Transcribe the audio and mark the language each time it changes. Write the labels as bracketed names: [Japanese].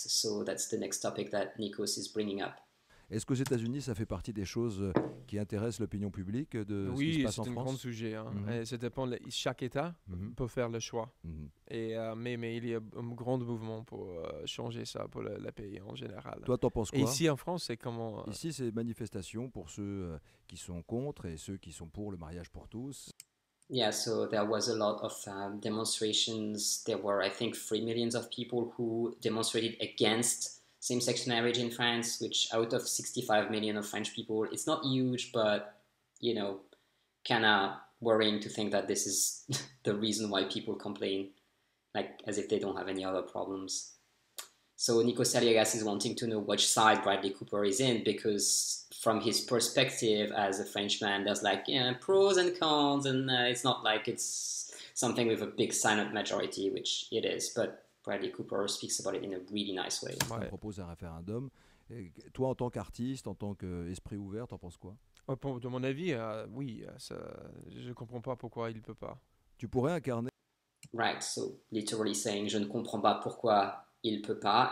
[English] So that's the next topic that Nikos is bringing up. [French] Est-ce qu'aux États-Unis, ça fait partie des choses qui intéressent l'opinion publique de ce qui se passe en France? Oui, c'est un grand sujet. Hein. Mm-hmm. Et ça dépend de chaque État peut faire le choix. Mm-hmm. Mais il y a un grand mouvement pour changer ça pour le pays en général. Toi, t'en penses quoi? Et ici, en France, c'est comment Ici, c'est manifestation pour ceux qui sont contre et ceux qui sont pour le mariage pour tous. [English] Yeah, so there was a lot of demonstrations. There were, I think, 3 millions of people who demonstrated against same-sex marriage in France, which out of 65 million of French people, it's not huge, but, you know, kind of worrying to think that this is the reason why people complain, like, as if they don't have any other problems. So Nikos Aliagas is wanting to know which side Bradley Cooper is in, because from his perspective as a Frenchman, there's like, yeah, pros and cons, and it's not like it's something with a big silent majority, which it is, but Bradley Cooper speaks about it in a really nice way. [French] Ouais. On propose un référendum. Et toi, en tant qu'artiste, en tant qu'esprit ouvert, t'en penses quoi? De mon avis, oui. Ça, je ne comprends pas pourquoi il ne peut pas. Tu pourrais incarner... [English] Right, so literally saying, [French] je ne comprends pas pourquoi il ne peut pas.